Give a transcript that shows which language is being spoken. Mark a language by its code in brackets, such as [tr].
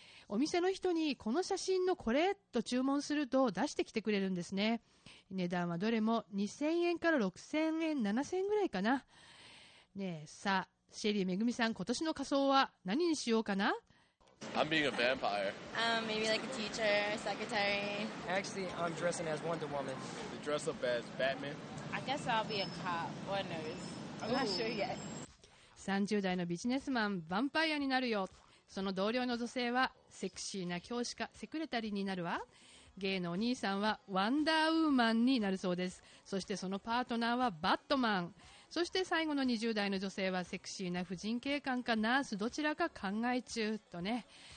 [ja] お店の人にこの写真のこれと注文すると出してきてくれるんですね。値段はどれも2000円から6000円、7000円ぐらいかな。ねえ、さあシェリーめぐみさん、今年の仮装は何にしようかな。 [en] I'm being a vampire. Maybe like a teacher, secretary. Actually, I'm dressing as Wonder Woman. You dress up as Batman? I guess I'll be a cop or a nurse. I'm not sure yet. [ja] 30代のビジネスマン、ヴァンパイアになるよ。その同僚の女性はセクシーな教師かセクレタリーになるわ。ゲイのお兄さんはワンダーウーマンになるそうです。そしてそのパートナーはバットマン。そして最後の20代の女性はセクシーな婦人警官かナースどちらか考え中とね。